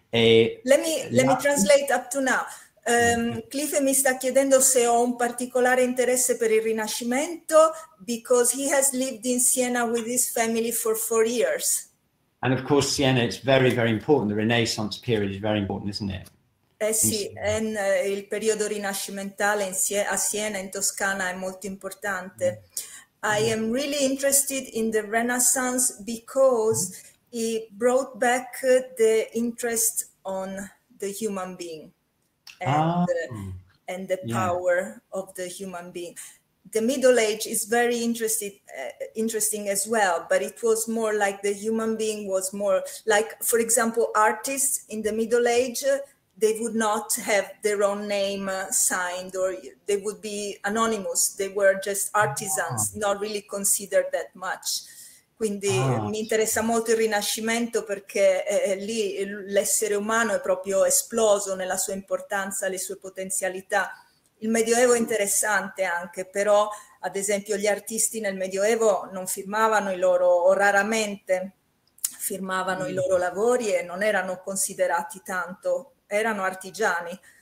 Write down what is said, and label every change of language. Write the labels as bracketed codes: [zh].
[en] Let me translate up to now. [it] Cliff mi sta chiedendo se ho un particolare interesse per il Rinascimento, [en] because he has lived in Siena with his family for 4 years. And of course, Siena is very, very important. The Renaissance period is very important, isn't it? [it] Il periodo rinascimentale a Siena, in Toscana, è molto importante. [en] I am really interested in the Renaissance because it brought back the interest on the human being and the power of the human being. The Middle Age is very interesting as well, but it was more like the human being was more like, for example, artists in the Middle Age, they would not have their own name signed, or they would be anonymous. They were just artisans, not really considered that much. [it] Quindi mi interessa molto il Rinascimento perché lì l'essere umano è proprio esploso nella sua importanza, le sue potenzialità. Il Medioevo è interessante anche, però ad esempio gli artisti nel Medioevo non firmavano i loro, o raramente firmavano i loro lavori e non erano considerati tanto, erano artigiani.